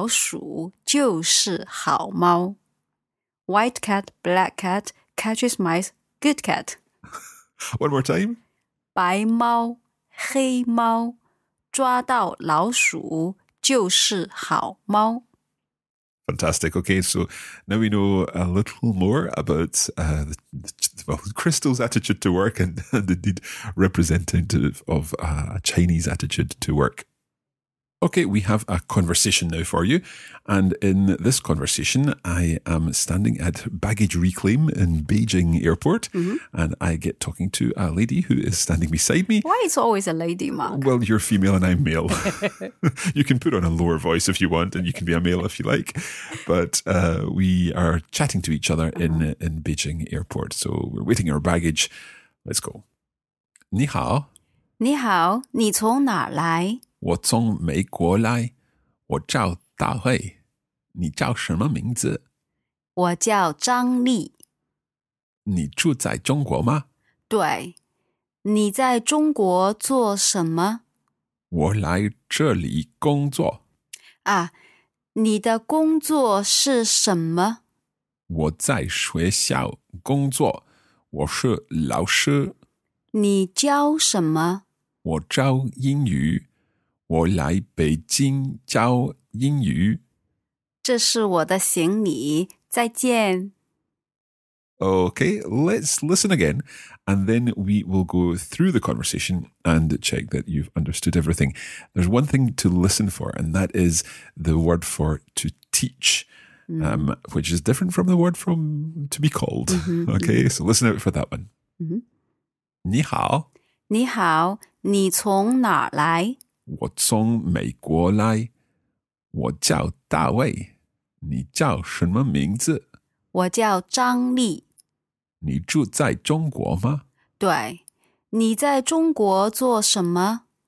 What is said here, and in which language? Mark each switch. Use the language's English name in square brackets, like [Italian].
[Chinese] 黑猫抓到老鼠就是好猫. [English] White cat, black cat, catches mice, good cat. One more time. [Chinese] 白猫黑猫抓到老鼠就是好猫. [English] Fantastic. Okay, so now we know a little more about Crystal's attitude to work and indeed representative of Chinese attitude to work. Okay, we have a conversation now for you. And in this conversation, I am standing at baggage reclaim in Beijing Airport. Mm-hmm. And I get talking to a lady who is standing beside me. Why is always a lady, Mark? Well, you're female and I'm male. You can put on a lower voice if you want, and you can be a male if you like. But we are chatting to each other in Beijing Airport. So we're waiting our baggage. Let's go. [Chinese] 你好,你从哪儿来? 我从美国来，我叫大卫，你叫什么名字？我叫张丽。你住在中国吗？对。你在中国做什么？我来这里工作。啊，你的工作是什么？我在学校工作，我是老师。你教什么？我教英语。我来北京教英语。这是我的行李，再见。 [English] Okay, let's listen again, and then we will go through the conversation and check that you've understood everything. There's one thing to listen for, and that is the word for to teach, which is different from the word from to be called. Mm-hmm, okay, mm-hmm. So listen out for that one. Mm-hmm. [Chinese] 你好。你好，你从哪儿来？我从美国来，我叫大卫，你叫什么名字？我叫张丽。你住在中国吗？对，你在中国做什么？